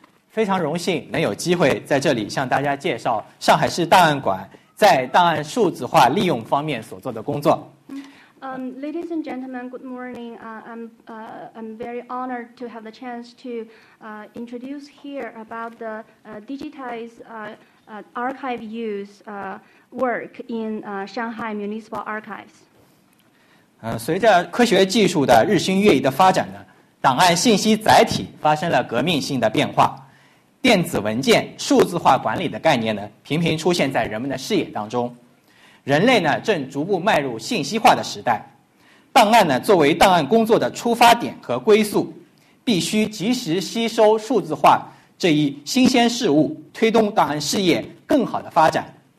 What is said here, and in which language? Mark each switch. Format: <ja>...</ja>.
<zh>非常荣幸能有机会在这里向大家介绍上海市档案馆在档案数字化利用方面所做的工作。</zh> <en>Ladies and gentlemen, good morning. I'm very honored to have the chance to introduce here about the digitized archive use work in Shanghai Municipal Archives.</en> <zh>随着科学技术的日新月异的发展呢，档案信息载体发生了革命性的变化。电子文件数字化管理的概念呢，频频出现在人们的视野当中。人类呢，正逐步迈入信息化的时代。档案呢，作为档案工作的出发点和归宿，必须及时吸收数字化这一新鲜事物，推动档案事业更好的发展。</zh>